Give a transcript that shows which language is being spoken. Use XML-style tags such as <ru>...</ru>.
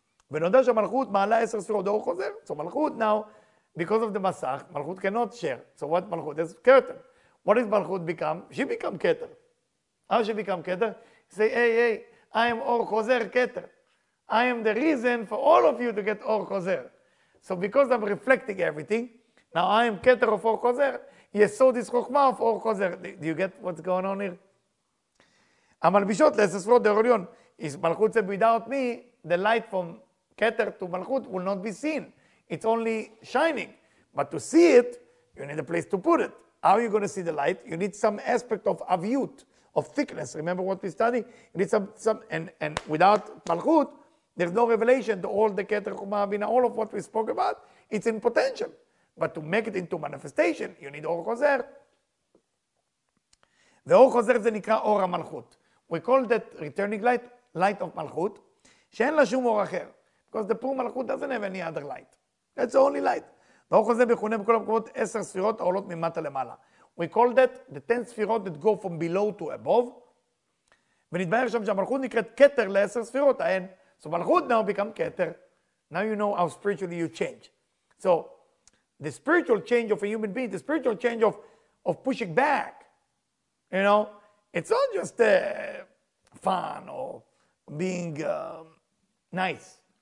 <he>ונודה שהמלכות מעלה עשר ספירות, דור חוזר.</he> <en>So מלכות now, because of the מסך, מלכות cannot share. So what מלכות? It's כתר. What does מלכות become? She become כתר. How she become כתר? Say, hey, hey, I am אור חוזר כתר. I am the reason for all of you to get אור חוזר. So because I'm reflecting everything, now I am כתר of אור חוזר. Yes, so this chokhmah of Or Chozer. Do you get what's going on here? Amalbishot, let's just wrote the Orion. Is Malchut said, without me, the light from Keter to Malchut will not be seen. It's only shining. But to see it, you need a place to put it. How are you going to see the light? You need some aspect of avyut, of thickness. Remember what we study? You need some, and without Malchut, there's no revelation to all the Keter, Chokhmah, Bina, all of what we spoke about. It's in potential. But to make it into manifestation, you need אור חוזר.</en> <he>ואור חוזר זה נקרא אור המלכות.</he> <en>We call that returning light, light of מלכות,</en> <he>שאין לה שום אור אחר.</he> <en>Because the poor מלכות doesn't have any other light. That's the only light.</en> <he>ואור חוזר מכונה בכל המקומות עשר ספירות העולות ממטה למעלה.</he> <en>We call that the 10 ספירות that go from below to above.</en> <he>ונתבהר שם שהמלכות נקראת כתר לעשר ספירות.</he> <en>And so מלכות now become כתר. Now you know how spiritually you change. So, the spiritual change of a human being, the spiritual change of pushing back, you know, it's not just fun or being nice.</en>